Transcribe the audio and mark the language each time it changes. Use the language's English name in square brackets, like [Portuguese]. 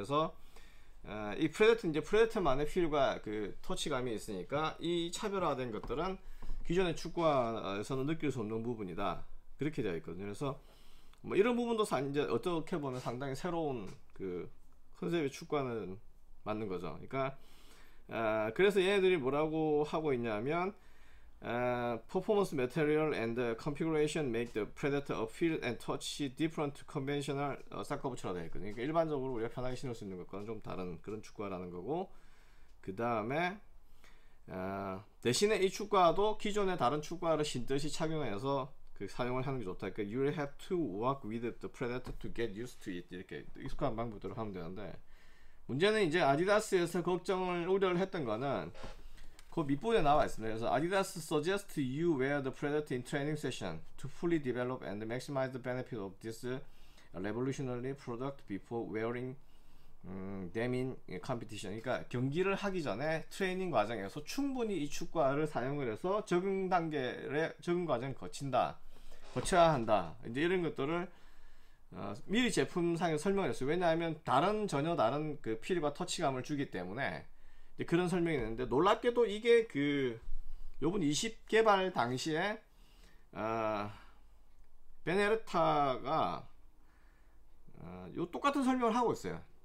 [Korean] 그래서 이 프레데터, 이제 프레데터만의 필과 그 터치감이 있으니까 이 차별화된 것들은 기존의 축구화에서는 느낄 수 없는 부분이다. 그렇게 되어 있거든요. 그래서 뭐 이런 부분도 이제 어떻게 보면 상당히 새로운 그 컨셉의 축구화는 맞는 거죠. 그러니까 그래서 얘네들이 뭐라고 하고 있냐면 [English] performance material and configuration make the predator feel and touch different conventional soccer boots [Korean] 라고 되어 있거든요. 그러니까 일반적으로 우리가 편하게 신을 수 있는 것과는 좀 다른 그런 축구화라는 거고, 그 다음에 대신에 이 축구화도 기존의 다른 축구화를 신듯이 착용해서 그 사용을 하는 게 좋다. 그러니까 [English] you'll have to walk with the predator to get used to it. [Korean] 이렇게 익숙한 방법대로 하면 되는데, 문제는 이제 아디다스에서 걱정을 우려를 했던 거는 그 밑부분에 나와 있습니다. 그래서 [English] Adidas suggests you wear the Predator in training session to fully develop and maximize the benefit of this revolutionary product before wearing them in competition. [Korean] 그러니까 경기를 하기 전에 트레이닝 과정에서 충분히 이 축구화를 사용을 해서 적응 과정을 거쳐야 한다. 이제 이런 것들을 미리 제품상에 설명을 했어요. 왜냐하면 전혀 다른 그 필과 터치감을 주기 때문에 그런 설명이 있는데, 놀랍게도 이게 그 요번 20 개발 당시에 베네르타가 요 똑같은 설명을 하고 있어요.